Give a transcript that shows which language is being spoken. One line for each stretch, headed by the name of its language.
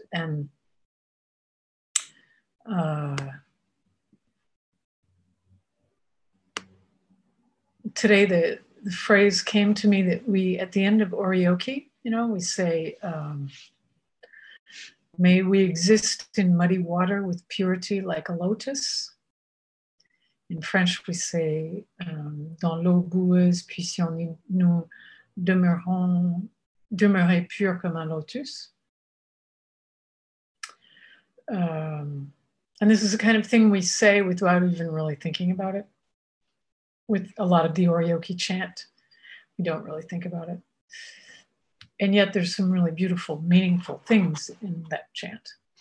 English: And today the phrase came to me that we, at the end of Orioki, you know, we say, may we exist in muddy water with purity like a lotus.
French: In French, we say, dans l'eau boueuse, puissions nous demeurer pur comme un lotus.
English: And this is the kind of thing we say without even really thinking about it. With a lot of the Orioki chant, we don't really think about it. And yet there's some really beautiful, meaningful things in that chant.